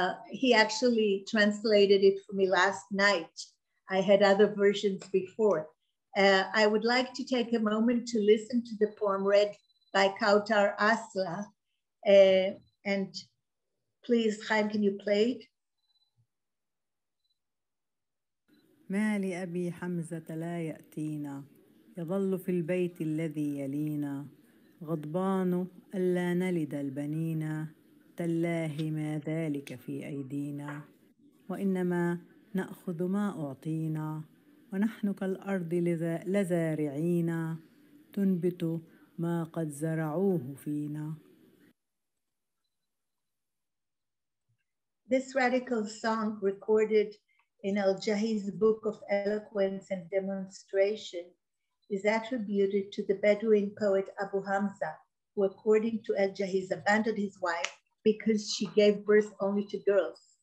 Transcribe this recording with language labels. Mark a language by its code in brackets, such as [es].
[en] He actually translated it for me last night. I had other versions before. I would like to take a moment to listen to the poem read by Kautar Asla. And please, Chaim, can you play it? [ar] مالي أبي حمزة لا يأتينا يظل في البيت الذي يلينا غضبان ألا نلد البنينا تالله ما ذلك في أيدينا وإنما نأخذ ما أعطينا ونحن كالأرض لزارعينا تنبت ما قد زرعوه فينا. [en] This radical song recorded in Al-Jahi's Book of Eloquence and Demonstration is attributed to the Bedouin poet Abu Hamza, who according to Al-Jahiz abandoned his wife because she gave birth only to girls.